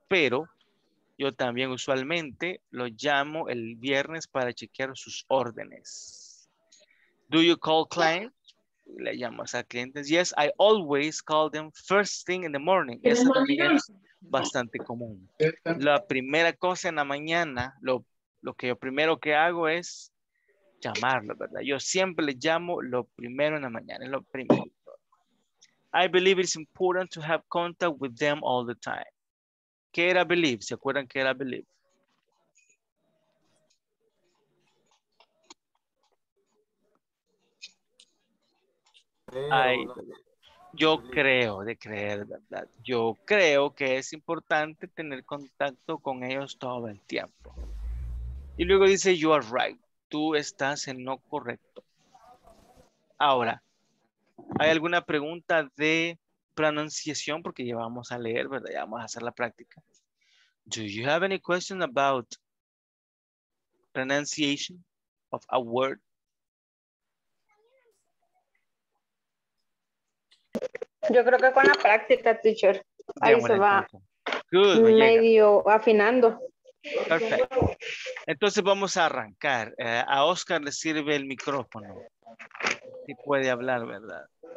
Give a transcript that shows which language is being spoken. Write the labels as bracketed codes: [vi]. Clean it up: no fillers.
[es] Pero yo también usualmente lo llamo el viernes para chequear sus órdenes. [en] Do you call clients? [es] Le llamas a clientes. [en] Yes, I always call them first thing in the morning. [es] Esa también es bastante común. La primera cosa en la mañana, lo que yo primero que hago es llamarlo, ¿verdad? Yo siempre le llamo lo primero en la mañana, lo primero. [en] I believe it's important to have contact with them all the time. [es] ¿Qué era believe? ¿Se acuerdan qué era believe? Yo creo, de creer, ¿verdad? Yo creo que es importante tener contacto con ellos todo el tiempo. Y luego dice, [en] you are right. [es] Tú estás en lo correcto. Ahora, ¿hay alguna pregunta de pronunciación? Porque ya vamos a leer, ¿verdad? Ya vamos a hacer la práctica. [en] Do you have any question about pronunciation of a word? [es] Yo creo que con la práctica, teacher, ahí se va medio afinando. Perfecto. Entonces vamos a arrancar. A Oscar le sirve el micrófono. Si puede hablar, ¿verdad?